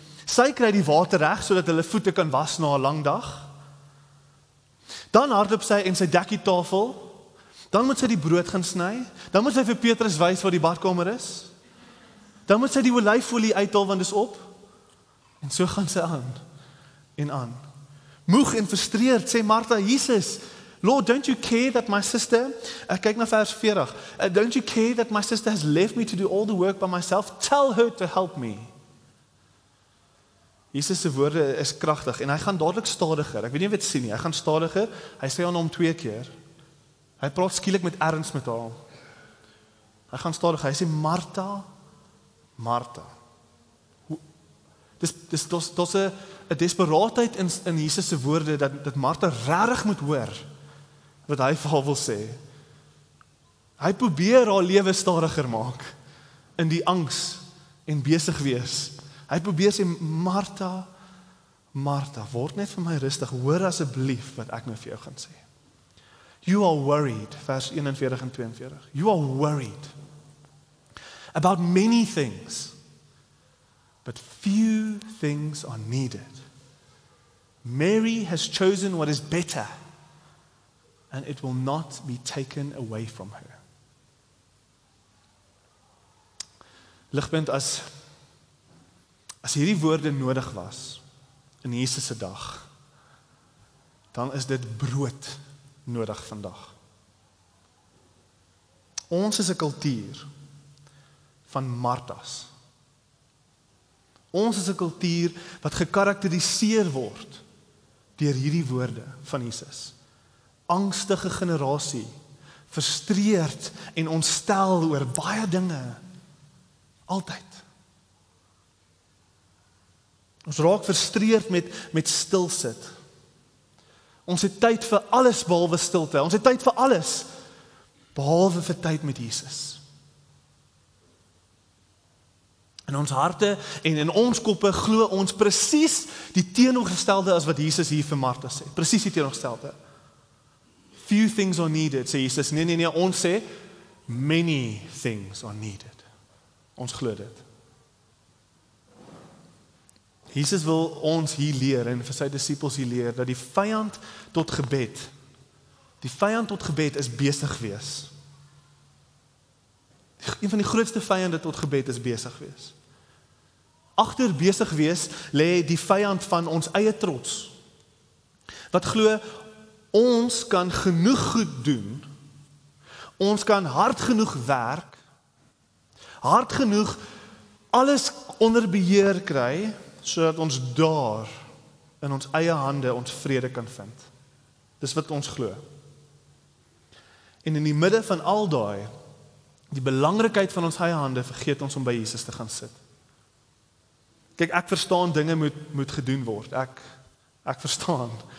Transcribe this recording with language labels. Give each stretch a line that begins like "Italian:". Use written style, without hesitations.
Afrikaans: Sy kry die water reg sodat hulle voete kan was na 'n lang dag. Dan hardloop sy en sy dekkie tafel. Dan moet sy die brood gaan sny. Dan moet sy vir Petrus wys waar die badkamer is. Dan moet sy die olyfolie uithaal want dis op. En so gaan sy aan en aan. Moeg en frustreerd sê
English: Martha, Jesus, Lord, don't you care that my sister,
Afrikaans: ek kyk na vers 40,
English: don't you care that my sister has left me to do all the work by myself? Tell her to help me.
Afrikaans: Jesus se woorde is kragtig en hy gaan dadelik stadiger. Ek weet nie wat sien nie. Hy gaan stadiger. Hy sê aan hom twee keer. Hy praat skielik met erns met haar. Hy gaan stadiger. Hy sê Martha, Martha. Dis 'n desperaatheid in Jesus se woorde dat Martha regtig moet hoor wat hy vir haar wil sê. Hy probeer haar lewe stadiger maak in die angs en besig wees. Hy probeer sê, Martha, Martha, word net vir my rustig, hoor asseblief wat ek nou vir jou gaan sê.
English: You are worried,
Afrikaans: vers 41 en 42.
English: You are worried about many things, but few things are needed. Mary has chosen what is better, and it will not be taken away from her.
Afrikaans: Ligpunt as hierdie woorde nodig was in Jesus se dag, dan is dit brood nodig vandag. Ons is 'n kultuur van Martas. Ons is 'n kultuur wat gekarakteriseer word deur hierdie woorde van Jesus. Angstige generasie, frustreerd en ontstel oor baie dinge, altyd. Ons raak frustreerd met stilsit. Ons het tyd vir alles behalwe stilte. Ons het tyd vir alles behalwe vir tyd met Jesus. In ons harte en in ons koppe glo ons presies die teenoorgestelde as wat Jesus hier vir Martha sê. Presies die teenoorgestelde.
English: Few things are needed,
Afrikaans: sê Jesus. Nee, ons sê
English: many things are needed.
Afrikaans: Ons glo dit. Jesus wil ons hier leer en vir sy disippels hier leer dat die vyand tot gebed is besig wees. Een van die grootste vyande tot gebed is besig wees. Agter besig wees lê die vyand van ons eie trots. Wat glo ons kan genoeg goed doen. Ons kan hard genoeg werk. Hard genoeg alles onder beheer kry. Sodat ons daar in ons eie hande ons vrede kan vind. Dis wat ons glo. En in die midde van al daai Die belangrikheid van ons eie hande vergeet ons om by Jesus te gaan sit. Kyk, ek verstaan dinge moet gedoen word. Ek verstaan.